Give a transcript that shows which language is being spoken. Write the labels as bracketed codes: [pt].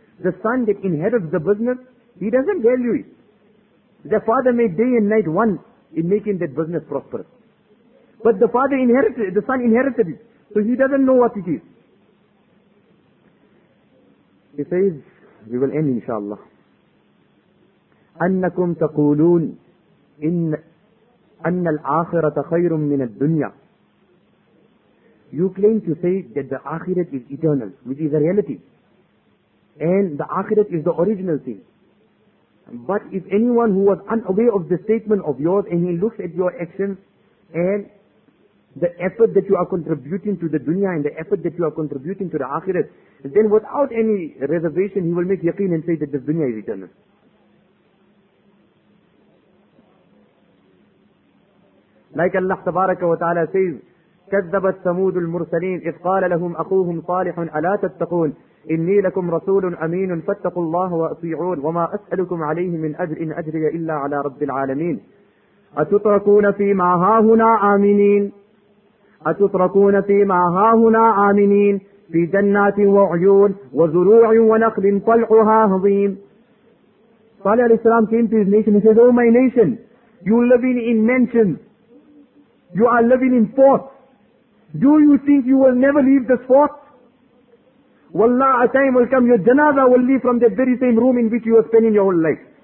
[en] The son that inherits the business, he doesn't value it. The father made day and night one in making that business prosperous. But the father inherited it, the son inherited it. So he doesn't know what it is. He says, we will end inshallah. [ar] أنكم تقولون إن أن الآخرة خير من الدنيا. [en] You claim to say that the Akhirat is eternal, which is a reality. And the Akhirat is the original thing. But if anyone who was unaware of the statement of yours and he looks at your actions and the effort that you are contributing to the dunya and the effort that you are contributing to the Akhirat, then without any reservation, he will make yaqeen and say that this dunya is eternal. Like Allah tabaraka wa ta'ala says, [ar] كَذَّبَتْ ثَمُودُ الْمُرْسَلِينَ إِذْ قَالَ لَهُمْ أَخُوهُمْ صَالِحٌ أَلَا تَتَّقُونَ إِنِّي لَكُمْ رَسُولٌ أَمِينٌ فَاتَّقُوا اللَّهَ وَأَطِيعُونَ وَمَا أَسْأَلُكُمْ عَلَيْهِ مِنْ أَجْرٍ إِنْ أَجْرِيَ إِلَّا عَلَى رَبِّ الْعَالَمِينَ أَتُتْرَكُونَ فِي مَا هَاهُنَا آمِنِينَ أَتُتْرَكُونَ فِي مَا هَاهُنَا آمِنِينَ في جنات وعيون وزروع ونخل طلعها هضيم. [en] Salih alayhi salam came to his nation. He says, oh my nation, you are living in mansions. You are living in forts. Do you think you will never leave this fort? Wallah, a time will come, your janaza will leave from that very same room in which you are spending your whole life.